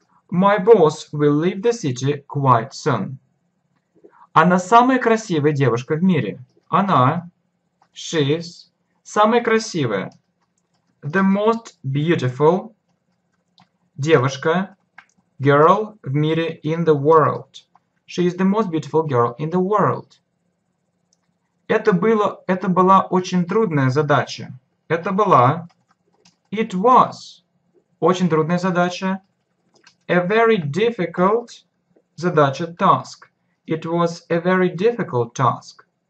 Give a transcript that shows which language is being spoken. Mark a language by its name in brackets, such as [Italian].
[English] My boss will leave the city quite soon. [Russian] Она самая красивая девушка в мире. Она, she's, самая красивая. [English] The most beautiful [Russian] девушка, [English] girl [Russian] в мире [English] in the world. She is the most beautiful girl in the world. [Russian] Это была очень трудная задача. Это была. [English] It was. [Russian] Очень трудная задача. [English] A very difficult [Russian] задача, [English] task. It was a very difficult task.